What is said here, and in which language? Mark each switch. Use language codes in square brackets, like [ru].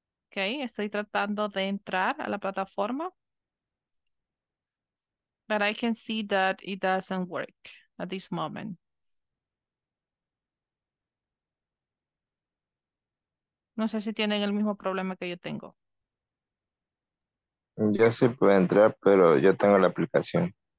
[es] Okay, estoy tratando de entrar a la plataforma. [en] But I can see that it doesn't work at this moment. [es] No sé si tienen el mismo problema que yo tengo. Yo sí puedo entrar, pero yo tengo la aplicación.